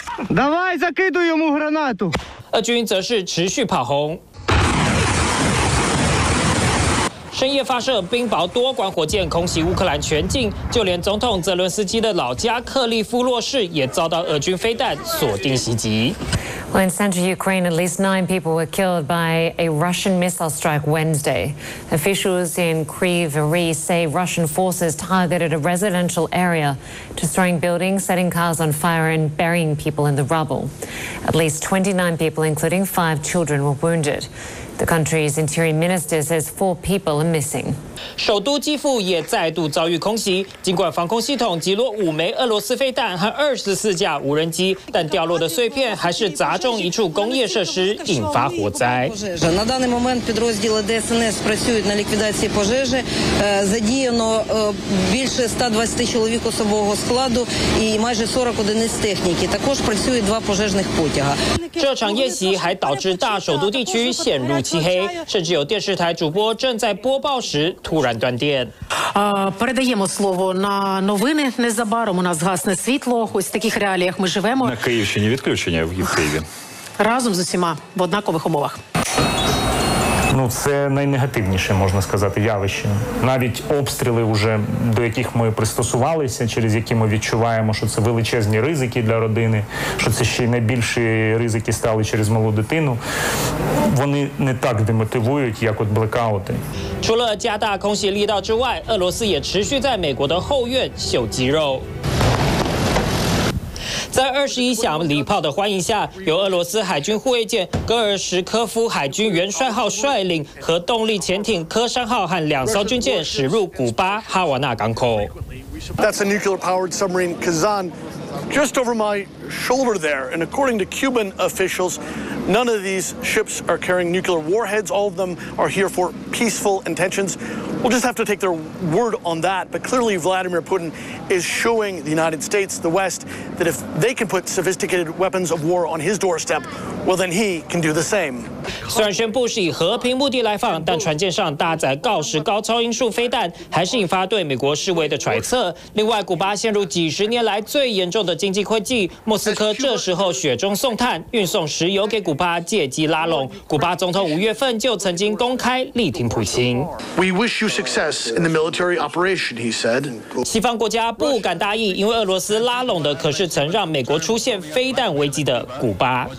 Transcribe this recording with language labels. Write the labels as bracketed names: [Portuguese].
[Ukrainian] Давай закидуй йому гранату. [Chinese] 俄军则是持续炮轰。深夜发射冰雹多管火箭空袭乌克兰全境，就连总统泽伦斯基的老家克利夫洛市也遭到俄军飞弹锁定袭击。 [English] In central Ukraine, at least 9 people were killed by a Russian missile strike Wednesday. Officials in Kryvyi Rih say Russian forces targeted a residential area, destroying buildings, setting cars on fire, and burying people in the rubble. At least 29 people, including 5 children, were wounded. The country's interior minister says 4 people are missing. [Chinese] 首都基辅也再度遭遇空袭，尽管防空系统击落5枚俄罗斯飞弹和24架无人机，但掉落的碎片还是砸中一处工业设施，引发火灾。 [Ukrainian] На даний момент підрозділи ДСНС працюють на ліквідації пожежі. Задіяно більше 120 чоловік особового складу і майже 40 одиниць техніки. Також працює 2 пожежних потяга. [Chinese] 这场夜袭还导致大首都地区陷入。漆黑，甚至有电视台主播正在播报时突然断电。 [Ukrainian] Передаємо слово на новини незабаром. У нас гасне світло. Ось таких реаліях ми живемо. На Київщині відключення в Києві. Разом з усіма в однакових умовах. Ну, це найнегативніше, можна сказати, явище. Навіть обстріли вже до яких ми пристосувалися, через які ми відчуваємо, що це величезні ризики для родини, що це ще й найбільші ризики стали через малу дитину. Вони не так демотивують, як от блекаути. [Chinese] 除了加大空袭力道之外，俄罗斯也持续在美国的后院秀肌肉。在21响礼炮的欢迎下，由俄罗斯海军护卫舰戈尔什科夫海军元帅号率领核动力潜艇科山号和两艘军舰驶入古巴哈瓦那港口。 [English] That's a nuclear-powered submarine Kazan, just over my shoulder there. And according to Cuban officials, none of these ships are carrying nuclear warheads. All of them are here for peaceful intentions. We'll just have to take their word on that. But clearly, Vladimir Putin is showing the United States, the West, that if they can put sophisticated weapons of war on his doorstep, well, then he can do the same. [Chinese] 虽然宣布是以和平目的来访，但船舰上搭载锆石高超音速飞弹，还是引发对美国示威的揣测。另外，古巴陷入几十年来最严重的经济困境，墨斯科这时候雪中送炭，运送石油给古巴，借机拉拢。古巴总统五月份就曾经公开力挺普京。 [English] We wish you success in the military operation, he said. [Chinese] 西方国家不敢答应，因为俄罗斯拉拢的可是曾让美国出现飞弹危机的古巴。